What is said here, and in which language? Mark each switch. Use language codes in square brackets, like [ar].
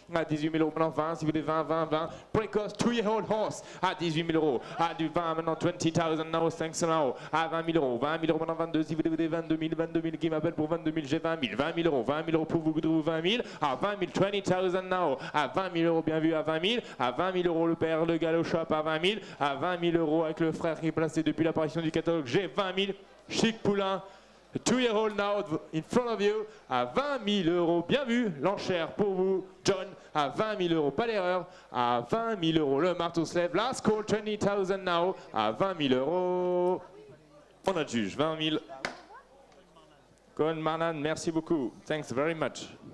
[fr] à 18 000 euros maintenant, 20, si vous voulez, 20, 20, 20, précoce, [en] 2-year-old horse, [fr] à 18 000 euros, à 20 maintenant, [en] 20 000 now, 500 now, [fr] à 20 000 euros, 20 000 euros maintenant, 22, si vous voulez, 22 000, 22 000, qui m'appelle pour 22 000, j'ai 20 000, 20 000 euros, 20 000 euros pour vous, 20 000, à 20 000, [en] 20 000 now, [fr] à 20 000 euros, bien vu, à 20 000, à 20 000 euros, le père, le Galo Shop, à 20 000, à 20 000 euros, avec le frère qui est placé depuis l'apparition du catalogue, j'ai 20 000, chic poulain, [en] 2-year-old now in front of you à 20 000 euros. [fr] Bien vu, l'enchère pour vous, John, à 20 000 euros. Pas d'erreur, à 20 000 euros. Le marteau se lève. [en] Last call, 20,000 now [fr] à 20 000 euros. On a le juge, 20 000. Colin Marnan, merci beaucoup. [en] Thanks very much.